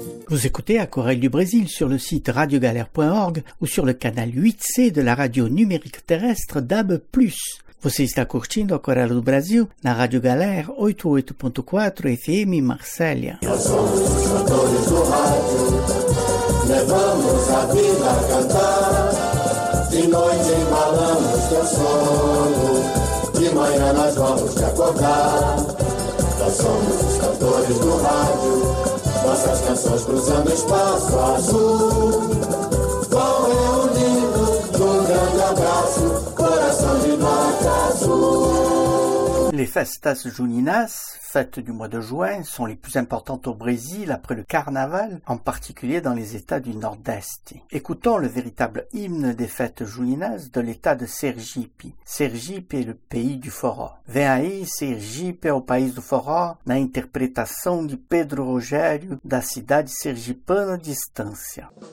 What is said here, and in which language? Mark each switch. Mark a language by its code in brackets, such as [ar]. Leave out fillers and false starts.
[fr] Vous écoutez Aquarelle du Brésil sur le site radiogalère.org ou sur le canal 8C de la radio numérique terrestre DAB+. [pt] Você está curtindo Aquarelle do Brasil na Radio Galère 88.4 FM Marsella. Nossas canções cruzando espaço azul, vão reunindo num grande abraço, coração de nota azul. [fr] Les festas juninas, fêtes du mois de juin, sont les plus importantes au Brésil après le carnaval, en particulier dans les états du Nordest. Écoutons le véritable hymne des fêtes juninas de l'état de Sergipe. Sergipe est le pays du forró. [pt] Vem aí, Sergipe, o país do forró, na interpretação de Pedro Rogério, da cidade sergipana Distância.